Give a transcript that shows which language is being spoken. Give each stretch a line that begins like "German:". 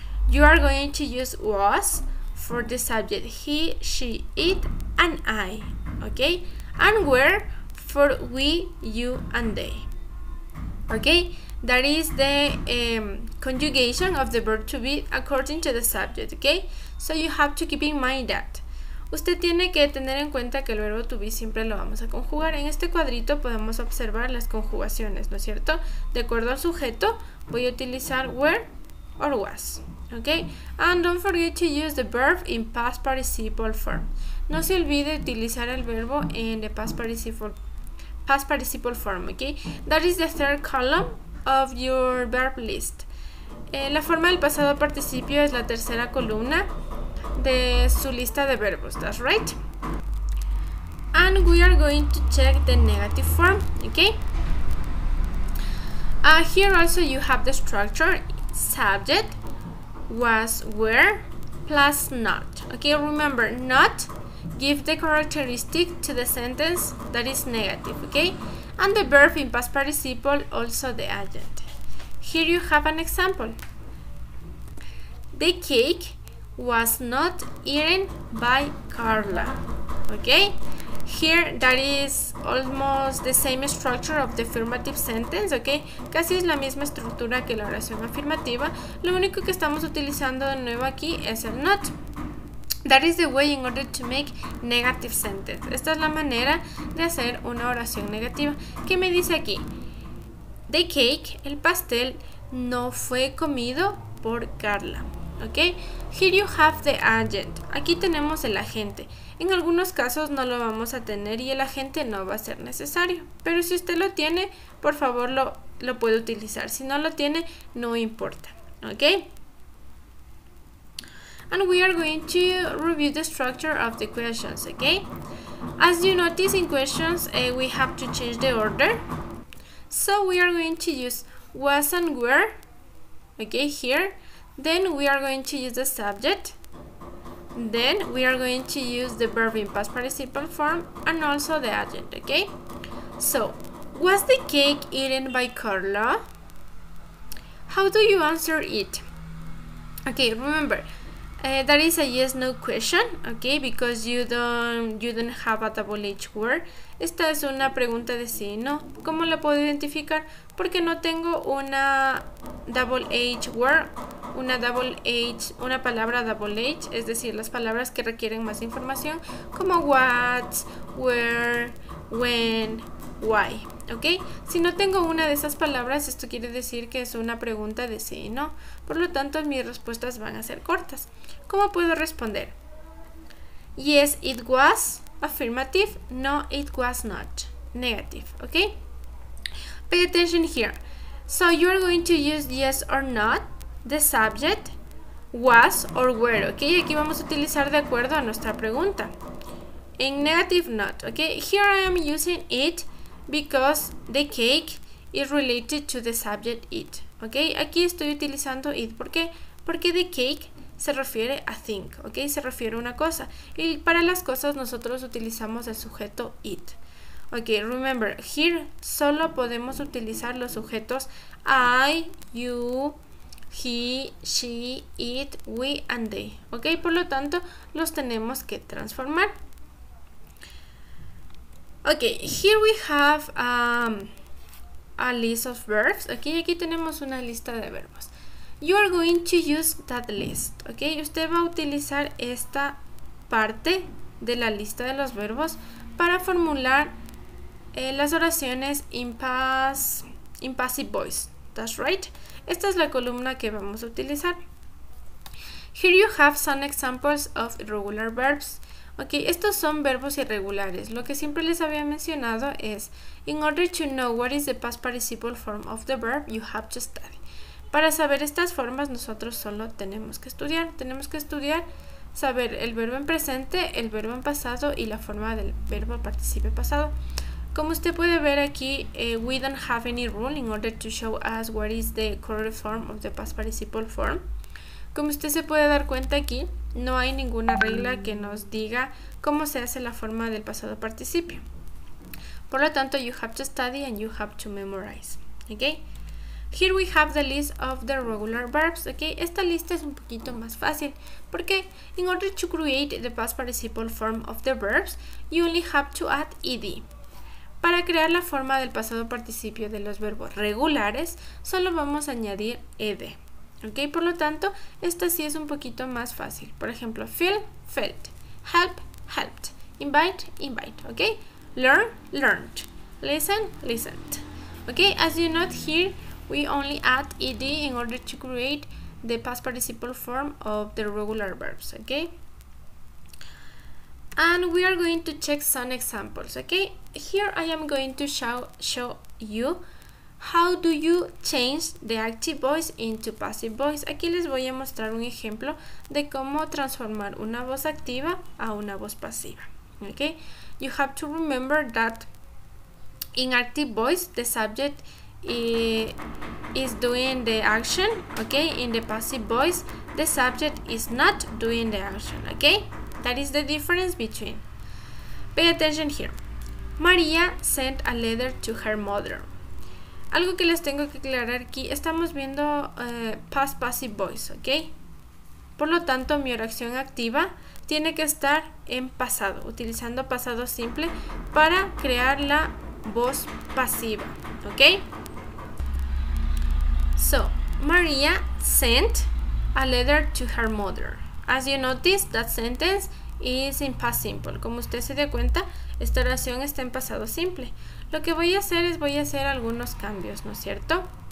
English: You are going to use was for the subject he, she, it, and I. Okay? And were for we, you, and they. Okay? That is the conjugation of the verb to be according to the subject, okay? So you have to keep in mind that.
Spanish: Usted tiene que tener en cuenta que el verbo to be siempre lo vamos a conjugar. En este cuadrito podemos observar las conjugaciones, ¿no es cierto? De acuerdo al sujeto, voy a utilizar were or was, okay?
English: And don't forget to use the verb in past participle form.
Spanish: No se olvide utilizar el verbo en the past participle form, okay?
English: That is the third column of your verb list.
Spanish: La forma del pasado participio es la tercera columna de su lista de verbos, that's right?
English: And we are going to check the negative form, okay? Here also you have the structure, subject, was, were, plus not. Okay, remember, not give the characteristic to the sentence that is negative, okay? And the verb in past participle, also the agent. Here you have an example. The cake was not eaten by Carla. Okay? Here, that is almost the same structure of the affirmative sentence, okay?
Spanish: Casi es la misma estructura que la oración afirmativa. Lo único que estamos utilizando de nuevo aquí es el not.
English: That is the way in order to make negative sentence.
Spanish: Esta es la manera de hacer una oración negativa. ¿Qué me dice aquí? The cake, el pastel, no fue comido por Carla. Okay?
English: Here you have the agent. Aquí tenemos el agente.
Spanish: En algunos casos no lo vamos a tener y el agente no va a ser necesario. Pero si usted lo tiene, por favor lo puede utilizar. Si no lo tiene, no importa. Okay?
English: And we are going to review the structure of the questions, okay? As you notice in questions, we have to change the order. So we are going to use was and were, okay, here. Then we are going to use the subject. Then we are going to use the verb in past participle form and also the agent, okay? So, was the cake eaten by Carla? How do you answer it? Okay, remember, that is a yes-no question, okay? Because you don't have a double H word.
Spanish: Esta es una pregunta de sí y no. ¿Cómo la puedo identificar? Porque no tengo una double H word, una palabra double H, es decir, las palabras que requieren más información, como what, where, when, why, okay? Si no tengo una de esas palabras, esto quiere decir que es una pregunta de sí y no. Por lo tanto, mis respuestas van a ser cortas.
English: ¿Cómo puedo responder? Yes, it was, affirmative. No, it was not, negative, okay? Pay attention here. So you are going to use yes or not, the subject, was or were, okay?
Spanish: Aquí vamos a utilizar de acuerdo a nuestra pregunta.
English: In negative, not, okay? Here I am using it because the cake is related to the subject it, okay?
Spanish: Aquí estoy utilizando it, ¿por qué? Porque the cake se refiere a think, ok, se refiere a una cosa, y para las cosas nosotros utilizamos el sujeto it, ok, remember, here solo podemos utilizar los sujetos I, you, he, she, it, we and they, ok, por lo tanto los tenemos que transformar.
English: Ok, here we have a list of verbs, ok, aquí tenemos una lista de verbos. You are going to use that list, ok?
Spanish: Usted va a utilizar esta parte de la lista de los verbos para formular las oraciones in passive voice, that's right? Esta es la columna que vamos a utilizar.
English: Here you have some examples of irregular verbs. Ok, estos son verbos irregulares. Lo que siempre les había mencionado es, in order to know what is the past participle form of the verb, you have to study.
Spanish: Para saber estas formas, nosotros solo tenemos que estudiar. Tenemos que estudiar, saber el verbo en presente, el verbo en pasado y la forma del verbo participio pasado.
English: Como usted puede ver aquí, we don't have any rule in order to show us what is the correct form of the past participle form.
Spanish: Como usted se puede dar cuenta aquí, no hay ninguna regla que nos diga cómo se hace la forma del pasado participio.
English: Por lo tanto, you have to study and you have to memorize, okay? Here we have the list of the regular verbs, okay? Esta lista es un poquito más fácil, porque in order to create the past participle form of the verbs, you only have to add ed.
Spanish: Para crear la forma del pasado participio de los verbos regulares, solo vamos a añadir ed. ¿Ok? Por lo tanto, esta sí es un poquito más fácil. Por ejemplo, feel, felt. Help, helped. Invite, invite. ¿Ok?
English: Learn, learned. Listen, listened. ¿Ok? As you note here, we only add ed in order to create the past participle form of the regular verbs. ¿Ok? And we are going to check some examples. Okay, here I am going to show you how do you change the active voice into passive voice.
Spanish: Aquí les voy a mostrar un ejemplo de cómo transformar una voz activa a una voz pasiva.
English: Okay, you have to remember that in active voice the subject is doing the action. Okay, in the passive voice the subject is not doing the action. Okay. That is the difference between. Pay attention here. María sent a letter to her mother.
Spanish: Algo que les tengo que aclarar aquí, estamos viendo past passive voice, ¿ok? Por lo tanto, mi oración activa tiene que estar en pasado, utilizando pasado simple para crear la voz pasiva, ¿ok?
English: So, María sent a letter to her mother. As you notice, that sentence is in past simple.
Spanish: Como usted se dio cuenta, esta oración está en pasado simple. Lo que voy a hacer es, voy a hacer algunos cambios, ¿no es cierto?